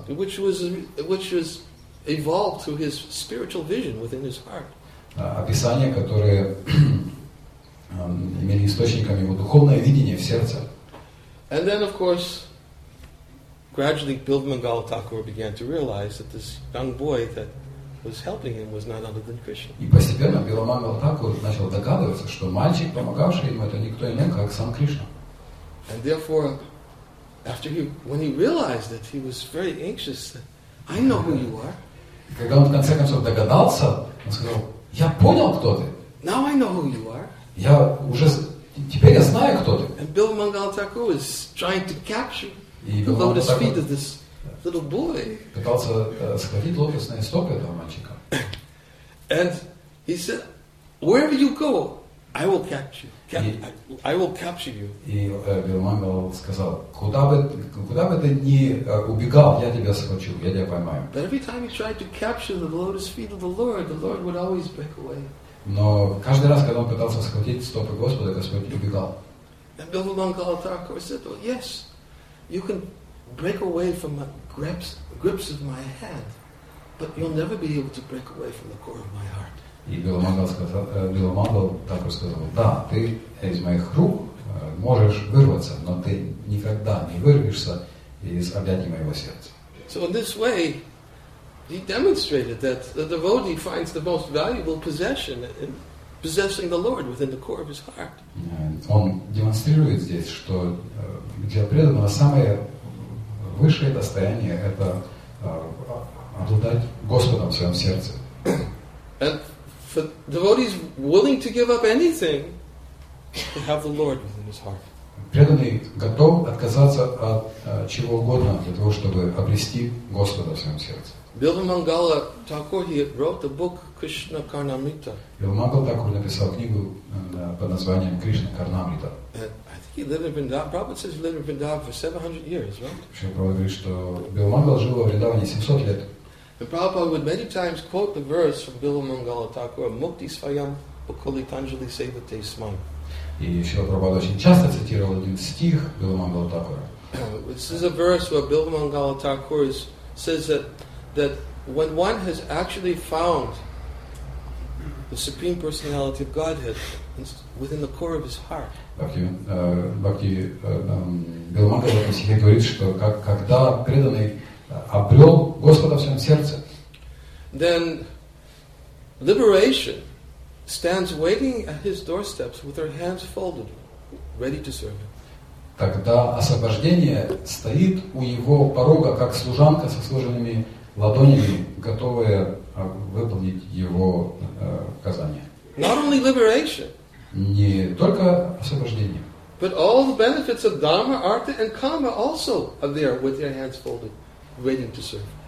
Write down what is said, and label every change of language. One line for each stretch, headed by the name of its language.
English: Which was evolved through his spiritual vision within his heart.
Russian: Описания, которые имели источником его духовное видение в сердце.
English: And then, of course, gradually Billa Mangala Thakur began to realize that this young boy that was helping him was not other than Krishna.
Russian: И постепенно Билла Мангала Такур начал догадываться, что мальчик, помогавший ему, это никто иной, как сам Кришна.
English: And therefore, after when he realized it, he was very anxious. I know who you are.
Russian: И когда он в конце концов догадался, он сказал: "Я понял, кто ты."
English: Now I know who you are.
Russian: Я уже теперь я знаю, кто ты.
English: And Billa Mangala Thakur was trying to capture the lotus feet of this little boy.
Russian: Пытался схватить лотосные стопы этого мальчика.
English: And he said, "Wherever you go, I will catch you. I will capture you."
Russian: И Билла Мангала сказал, куда бы ты ни убегал, я тебя схвачу, я тебя поймаю.
English: But every time he tried to capture the lotus feet of the Lord would always break away.
Russian: Но каждый раз, когда он пытался схватить стопы Господа, Господь убегал.
English: And Billa Mangala Thakur said, "Well, yes. You can break away from my grips of my hand, but you'll never be able to break away from the core of my heart."
Russian: И Билла Мангала Такур сказал, "Да, ты из моих рук можешь вырваться, но ты никогда не вырвешься из объятий моего сердца."
English: So in this way, he demonstrated that the devotee finds the most valuable possession in possessing the Lord within the core of his heart.
Russian: Он демонстрирует здесь, что для преданного самое высшее достояние – это обладать Господом в своем сердце.
English: And for devotees willing to give up anything to have the Lord within his heart.
Russian: Преданный готов отказаться от чего угодно для того, чтобы обрести Господа в своем сердце.
English: Билла Мангала Такур, he wrote the book Krishna Karnamrita.
Russian: Билла Мангала Такур написал книгу под названием Кришна Карнамрита.
English: He lived in Vrindavan. Prabhupada says he lived in Vrindavan for 700 years, right?
Russian: Шрила Прабхупада говорит, что Билла Мангала жил во Вриндаване 700 лет.
English: And Prabhupada would many times quote the verse from Билла Мангала Такура,
Sanskrit: "Мукти свайам бхукхали танжали севате смам."
Russian: И Шрила Прабхупада очень часто цитировал один стих Билла Мангала Такура.
English: This is a verse where Билла Мангала Такур says that when one has actually found the Supreme Personality of Godhead within the core of his heart.
Russian: Бхакти Билла Мангала в стихе говорит, что когда преданный обрел Господа в своем сердце,
English: then liberation stands waiting at his doorsteps with her hands folded, ready to serve him.
Russian: Тогда освобождение стоит у его порога, как служанка со сложенными ладонями, готовая выполнить его указания.
English: Not only liberation,
Russian: не только освобождение.
English: But all the benefits of Dharma, Artha and Kama also are there with their hands folded, waiting to serve.